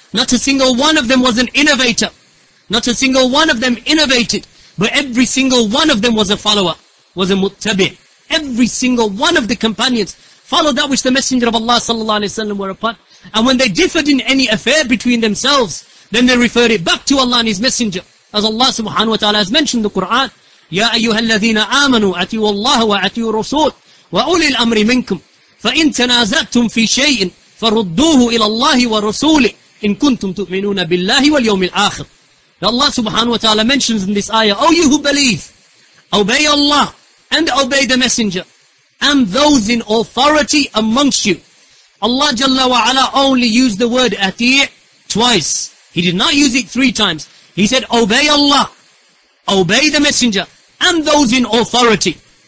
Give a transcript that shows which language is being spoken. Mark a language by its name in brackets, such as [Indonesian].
[English] Not a single one of them was an innovator. Not a single one of them innovated, but every single one of them was a follower, was a muttabi'. Every single one of the companions followed that which the Messenger of Allah sallallahu alayhi wa sallam were upon. And when they differed in any affair between themselves, then they referred it back to Allah and His Messenger. As Allah subhanahu wa ta'ala has mentioned the Quran, [Arabic] يَا أَيُّهَا الَّذِينَ آمَنُوا أَتِيُوا اللَّهَ وَأَتِيُوا الرَّسُولَ وَأُولِي الْأَمْرِ مِنْكُمْ فَإِنْ تَنَازَعْتُمْ فِي شَيْءٍ فَرُدُّوهُ إِلَى اللَّهِ وَرَسُولِهِ إِنْ كُنْتُمْ تُؤْمِنُونَ بِاللَّهِ وَالْيَوْمِ الْآخِرِ. [English] Allah subhanahu wa ta'ala mentions in this ayah, O you who believe, obey Allah and obey the Messenger and those in authority amongst you. Allah Jalla wa Ala only used the word ati' twice. He did not use it three times. He said, obey Allah, obey the Messenger and those in authority.